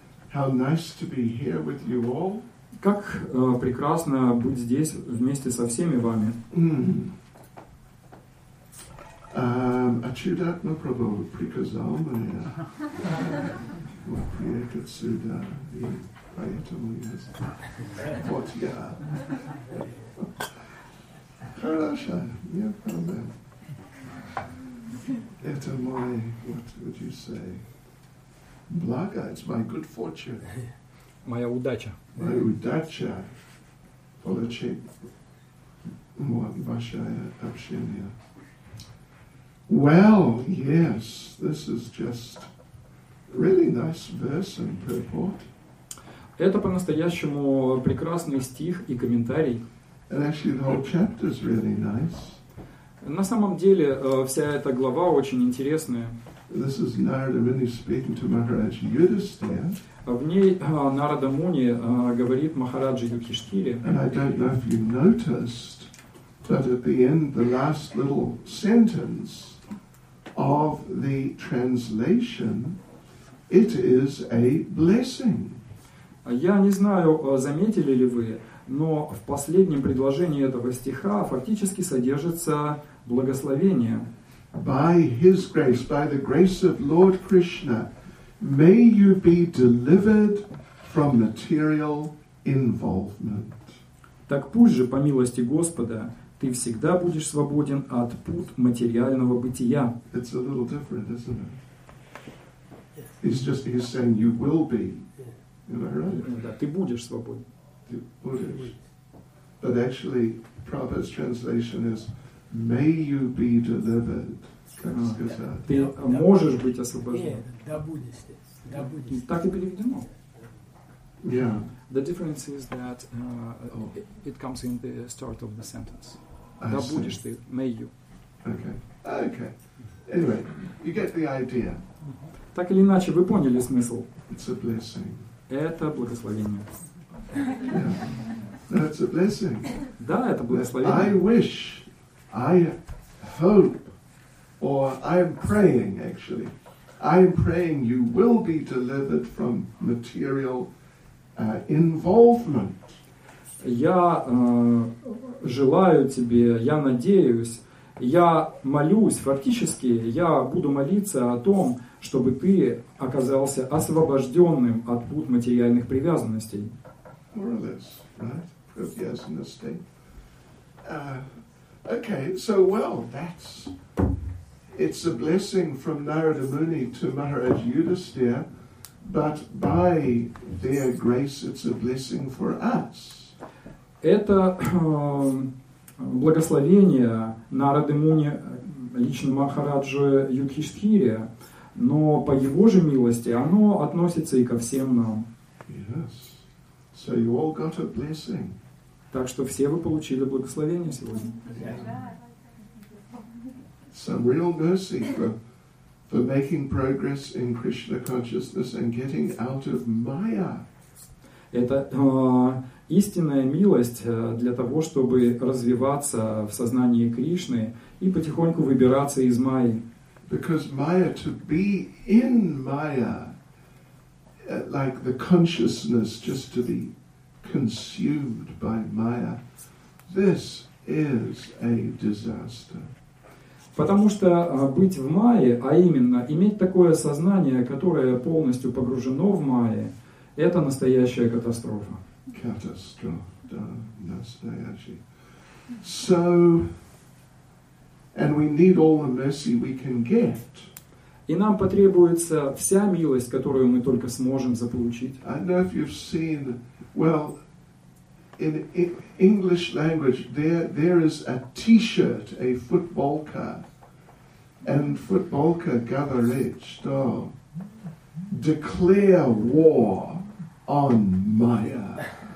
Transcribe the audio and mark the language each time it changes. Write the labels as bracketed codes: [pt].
[en] How nice to be here with you all. [ru] Как прекрасно быть здесь вместе со всеми вами. А чудатно Прабху приказал мне вот приехать сюда, и поэтому я здесь. Вот я. Хорошо, нет проблем. Это мой, [en] what would you say, [ru] благо, [en] it's my good fortune. [ru] Моя удача. Моя удача получить ваше общение. [en] Well, yes, this is just really nice verse and purport. [ru] Это по-настоящему прекрасный стих и комментарий. [en] And actually the whole chapter is really nice. [ru] На самом деле, вся эта глава очень интересная. [en] This is Narada Muni speaking to Maharaj Yudhisthira. [ru] В ней Нарада Муни говорит Махараджи Юдхиштхире. [en] And I don't know if you noticed, but at the end, the last little sentence of the translation, it is a blessing. [ru] Я не знаю, заметили ли вы, но в последнем предложении этого стиха фактически содержится благословение. [en] By His grace, by the grace of Lord Krishna, may you be delivered from material involvement. [ru] Так пусть же, по милости Господа, ты всегда будешь свободен от пут материального бытия. [en] It's a little different, isn't it? It's just He's saying you will be. Am I right? [ru] Да, ты будешь свободен. Ты будешь. [en] But actually, Prabhupada's translation is may you be delivered. [ru] Ты можешь быть освобожден. Да будешь. Да будешь. Так и переведено. [en] Yeah. The difference is that it comes in the start of the sentence. [ru] Да будешь ты, [en] may you. Okay. Okay. Anyway, you get the idea. [ru] Так или иначе, вы поняли смысл. [en] It's a blessing. [ru] Это благословение. [en] Yeah. That's a blessing. [ru] Да, это благословение. [en] I wish, I hope, or I'm praying you will be delivered from material involvement. [ru] Я желаю тебе, я надеюсь, я молюсь, фактически, я буду молиться о том, чтобы ты оказался освобожденным от пут материальных привязанностей. [en] More or less, right? Yes, in a state. Okay, so well, that's it's a blessing from Narada Muni to Maharaj Yudhisthira, but by their grace, it's a blessing for us. [ru] Это благословение Нарады Муни лично Махараджу Юдхиштхире, но по его же милости оно относится и ко всем нам. [en] Yes. So you all got a blessing. [ru] Так что все вы получили благословение сегодня. [en] Yeah. Some real mercy for making progress in Krishna consciousness and getting out of Maya. [ru] Это истинная милость для того, чтобы развиваться в сознании Кришны и потихоньку выбираться из Майи. [en] Because Maya, to be in Maya, like the consciousness just to be consumed by Maya, this is a disaster. [ru] Потому что быть в Майе, а именно иметь такое сознание, которое полностью погружено в Майе, это настоящая катастрофа. Катастрофа, да, настоящая. [en] So, and we need all the mercy we can get. [ru] И нам потребуется вся милость, которую мы только сможем заполучить. [en] I know if you've seen, well, in English language, there is a T-shirt, a footballka, and [ru] footballka gavarich, [en] to declare war on Maya.